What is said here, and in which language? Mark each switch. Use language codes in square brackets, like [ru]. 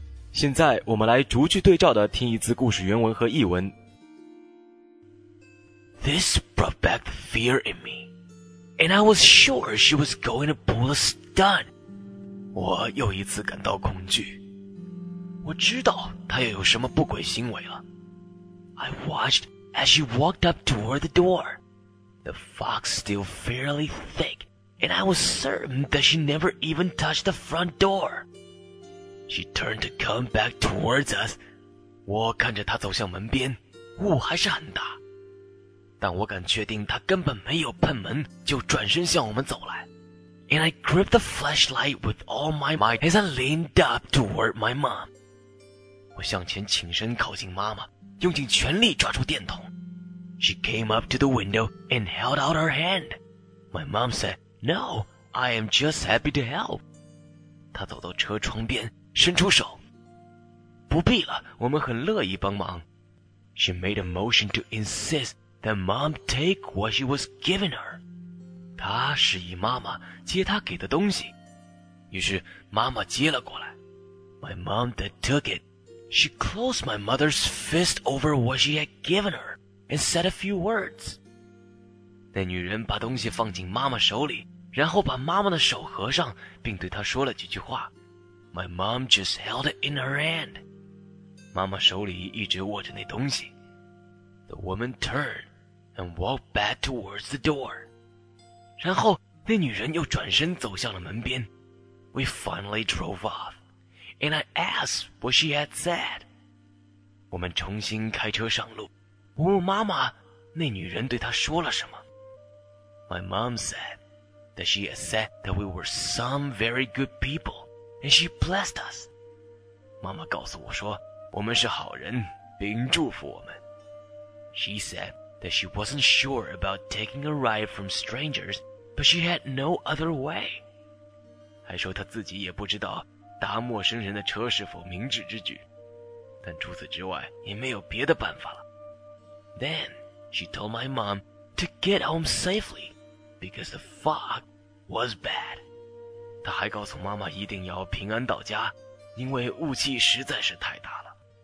[zh] 现在我们来逐句对照的听一次故事原文和译文。 [en] This brought back the fear in me, and I was sure she was going to pull a stunt. [zh] 我又一次感到恐惧。我知道她又有什么不轨行为了。 [en] I watched as she walked up toward the door. The fog still fairly thick, and I was certain that she never even touched the front door. She turned to come back towards us. [zh] 我看着她走向门边，雾还是很大，但我敢确定她根本没有碰门就转身向我们走来。 [en] And I gripped the flashlight with all my might as I leaned up toward my mom. [zh] 我向前倾身靠近妈妈，用尽全力抓住电筒。 [en] She came up to the window and held out her hand. My mom said, "No, I am just happy to help." [zh] 她走到车窗边伸出手，不必了，我们很乐意帮忙。 [en] She made a motion to insist that mom take what she was giving her. [zh] 她示意妈妈接她给的东西，于是妈妈接了过来。 [en] My mom then took it. She closed my mother's fist over what she had given her and said a few words. [zh] 那女人把东西放进妈妈手里，然后把妈妈的手合上，并对她说了几句话。 [en] My mom just held it in her hand. [zh] 妈妈手里一直握着那东西。 [en] The woman turned and walked back towards the door. [zh] 然后那女人又转身走向了门边。 [en] We finally drove off, and I asked what she had said. [zh] 我们重新开车上路。我问妈妈那女人对她说了什么。 [en] My mom said that she had said that we were some very good people, and she blessed us. [zh] 妈妈告诉我说我们是好人并祝福我们。 [en] She said that she wasn't sure about taking a ride from strangers, but she had no other way. [zh] 还说她自己也不知道搭陌生人的车是否明智之举。但除此之外也没有别的办法了。 [en] Then, she told my mom to get home safely, because the fog was bad. [zh] 她还告诉妈妈一定要平安到家,因为雾气实在是太大了。